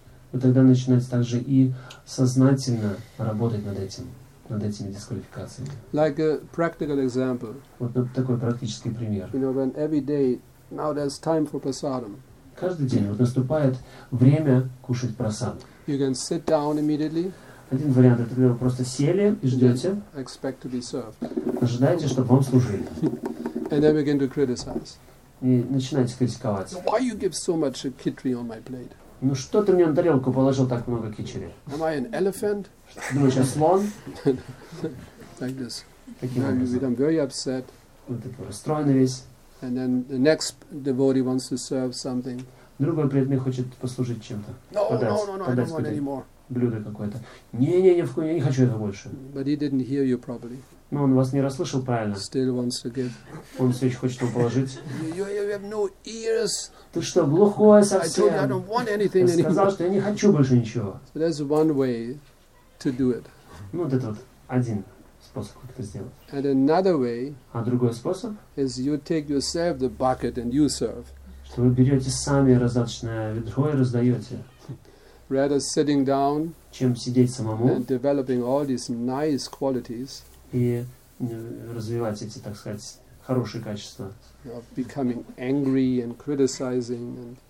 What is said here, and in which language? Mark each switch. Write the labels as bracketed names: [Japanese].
[Russian] Вы тогда начинаете также и сознательно работать над этими дисквалификациями. [English] Like a practical example. [Russian] Вот такой практический пример. [English] You know, when every day, now there's time for prasadam. [Russian] Каждый день вот наступает время кушать прасад. [English] You can sit down immediately. [Russian] Один вариант, это когда вы просто сели и ждете. [English] Expect to be served. [Russian] Ожидаете, чтобы вам служили. [English] And then begin to criticize. [Russian] И начинаете критиковать. [English] Why you give so much khichdi on my plate? [Russian] Ну что ты мне на тарелку положил так много кичери? [English] Am I an elephant? [Russian] Думаешь, я слон? [English] Like this. [Russian] Таким образом. [English] You become very upset. [Russian] Вот такой расстроенный весь. [English] And then the next devotee wants to serve something. [Russian] Другой преданный хочет послужить чем-то. [English] No, I don't want anymore. [Russian] Блюдо какое-то. Не, я не хочу это больше. [English] But he didn't hear you properly. [Russian] Но он вас не расслышал правильно. [English] Still wants to give. [Russian] Он все еще хочет его положить. [English] You have no ears. [Russian] Ты что, глухой совсем? [English] I don't want anything anymore. [Russian] Я сказал, что я не хочу больше ничего. [English] So there's one way to do it. [Russian] Ну, вот это вот один способ, как это сделать. [English] And another way, [Russian] а другой способ? [English] Is you take yourself the bucket and you serve. [Russian] Что вы берете сами раздаточное ведро и раздаете. [English] Rather sitting down, [Russian] чем сидеть самому, [English] and developing all these nice qualities, [Russian] и развивать эти, так сказать, хорошие качества, [English] of becoming angry and criticizing, and